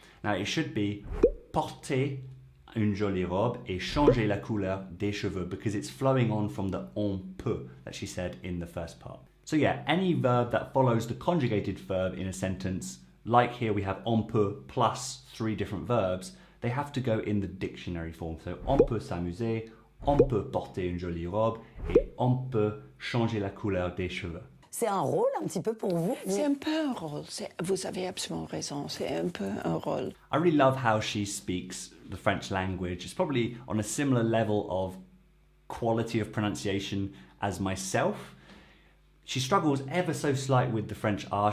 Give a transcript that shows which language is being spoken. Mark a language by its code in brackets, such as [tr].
[en] Now it should be [fr] porter une jolie robe et changer la couleur des cheveux, [en] because it's flowing on from the [fr] on peut [en] that she said in the first part. So yeah, any verb that follows the conjugated verb in a sentence, like here we have [fr] on peut [en] plus three different verbs, they have to go in the dictionary form. [fr] So on peut s'amuser, on peut porter une jolie robe et on peut changer la couleur des cheveux. C'est un rôle un petit peu pour vous? C'est un peu un rôle. Vous avez absolument raison. C'est un peu un rôle. [en] I really love how she speaks the French language. It's probably on a similar level of quality of pronunciation as myself. She struggles ever so slight with the French R.